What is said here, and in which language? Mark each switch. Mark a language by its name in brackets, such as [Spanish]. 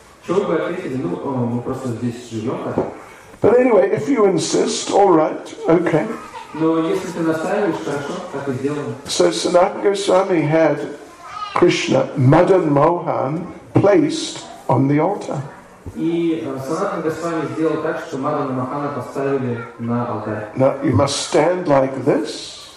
[Russian] Чобе ответил, мы просто здесь живем. [English] But anyway, if you insist, all right, okay. [Russian] Но если ты настаиваешь, хорошо, так и сделаем. [English] So Sanatana Goswami had Krishna Madan Mohan placed on the altar. [Russian] И Sanatana Goswami сделал так, что Madan Mohan поставили на алтарь. [English] Now you must stand like this.